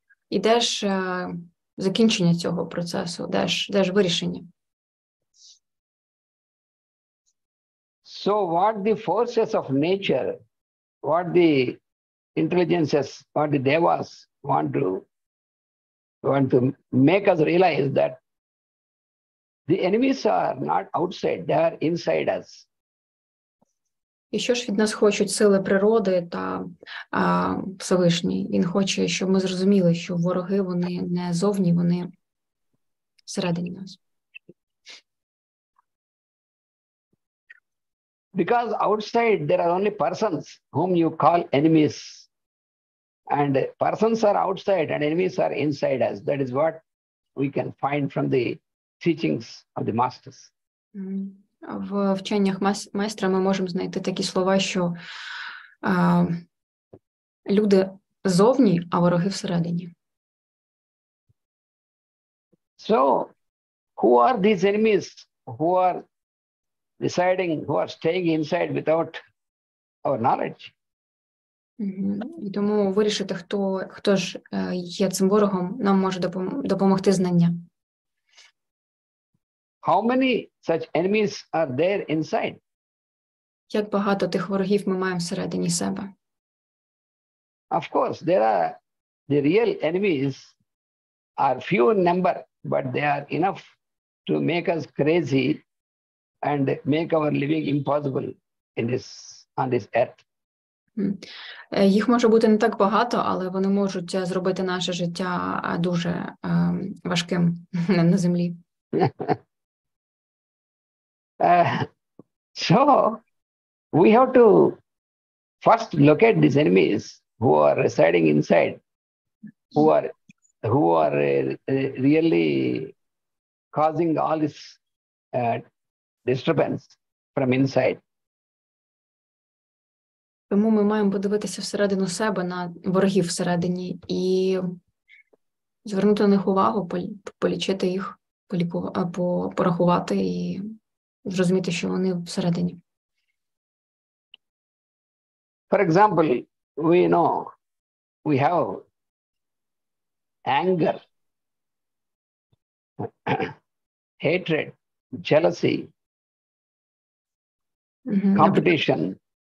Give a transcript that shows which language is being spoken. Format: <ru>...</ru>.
<uk>І де ж закінчення цього процесу, де ж вирішення?</uk> <en>So what the forces of nature, what the intelligences, what the devas want to make us realize that the enemies are not outside, they are inside us.</en> <uk>І що ж від нас хочуть сили природи та Всевишній? Він хоче, щоб ми зрозуміли, що вороги, вони не зовні, вони всередині нас.</uk> <en>Because outside there are only persons whom you call enemies. And persons are outside and enemies are inside us. That is what we can find from the teachings of the masters.</en> <uk>В вченнях майстра ми можемо знайти такі слова, що люди зовні, а вороги всередині.</uk> <en>So, who are these enemies who are deciding, who are staying inside without our knowledge?</en> <uk>І тому вирішити, хто ж є цим ворогом, нам може допомогти знання.</uk> <en>How many such enemies are there inside?</en> <uk>Як багато тих ворогів ми маємо всередині себе?</uk> <en>Of course, there are the real enemies are few in number, but they are enough to make us crazy and make our living impossible on this earth.</en> <uk>Їх може бути не так багато, але вони можуть зробити наше життя дуже важким на землі.</uk> <en>So we have to first locate these enemies who are residing inside, who are really causing all this disturbance from inside.</en> <uk>Тому ми маємо подивитися всередину себе на ворогів всередині і звернути на них увагу, полічити їх, порахувати і зрозуміти, що вони всередині.</uk> <en>For example, we know we have anger, hatred, jealousy, competition.</en>